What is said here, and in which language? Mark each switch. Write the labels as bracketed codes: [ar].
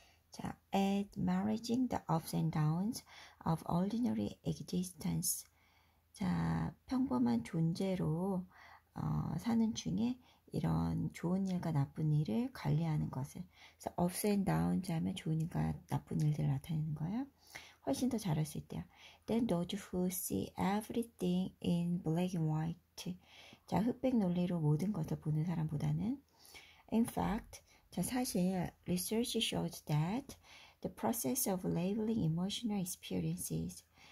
[en] 자, acknowledging the ups and downs of ordinary existence. [ko] 자, 평범한 존재로 사는 중에 이런 좋은 일과 나쁜 일을 관리하는 것을. [en] So, ups and downs [ko] 하면 좋은 일과 나쁜 일들을 나타내는 거예요. 훨씬 더 잘할 수 있대요. [en] Then those who see everything in black and white. [ko] 자, 흑백 논리로 모든 것을 보는 사람보다는. [en] In fact, [ko] 자, 사실, [en] research shows that the process of labeling emotional experiences.